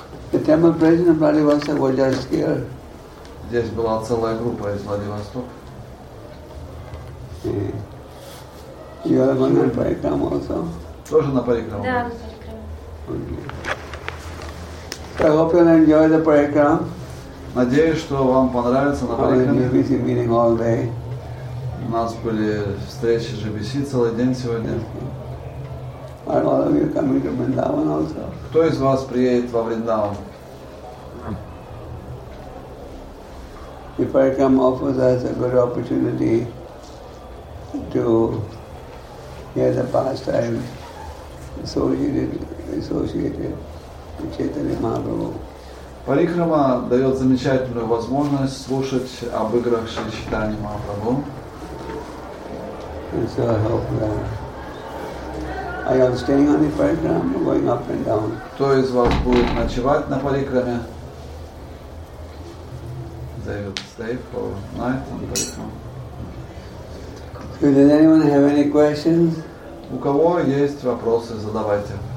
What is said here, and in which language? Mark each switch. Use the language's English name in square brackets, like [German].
[English] The Tamil president of Vladivostok was just here. [Russian] Здесь была целая группа из Владивостока. [English] You are on the Parikram also? [Russian] Тоже на Парикраме? Да, на Парикраме. [English] Okay. I hope you'll enjoy the Parikram. [Russian] Надеюсь, что вам понравится на Парикраме. [English] We've been meeting all day. [Russian] У нас были встречи GBC целый день сегодня. [English] Are all of you coming to Vrindavan also? [Russian] Кто из вас приедет во Вриндаван? [English] The Parikram offers us a good opportunity to hear the pastime associated with Chaitanya Mahaprabhu. [Russian] Парикрама дает замечательную возможность слушать об играх Шри Чайтаньи Махапрабху. [English] And so I hope that I am staying on the Parikram, going up and down. [Russian] Кто из вас будет ночевать на Парикраме? [English] They will stay for night on Parikram. Does anyone have any questions? [Russian] У кого есть вопросы, задавайте.